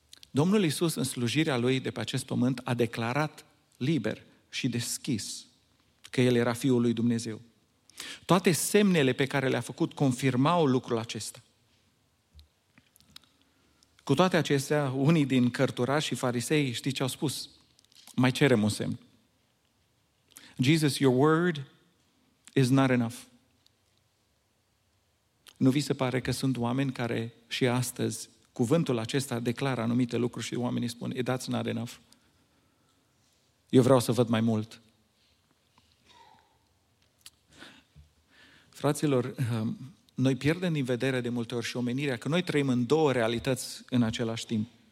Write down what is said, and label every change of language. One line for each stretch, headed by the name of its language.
Romanian: Domnul Iisus, în slujirea Lui de pe acest pământ, a declarat liber și deschis că El era Fiul Lui Dumnezeu. Toate semnele pe care le-a făcut confirmau lucrul acesta. Cu toate acestea, unii din cărturași și farisei, știi ce au spus? Mai cerem un semn.
English: Jesus, your word is not enough.
Romanian: Nu vi se pare că sunt oameni care și astăzi cuvântul acesta declară anumite lucruri și oamenii spun,
English: that's not enough.
Romanian: Eu vreau să văd mai mult. Fraților, noi pierdem din vedere de multe ori și omenirea că noi trăim în două realități în același timp.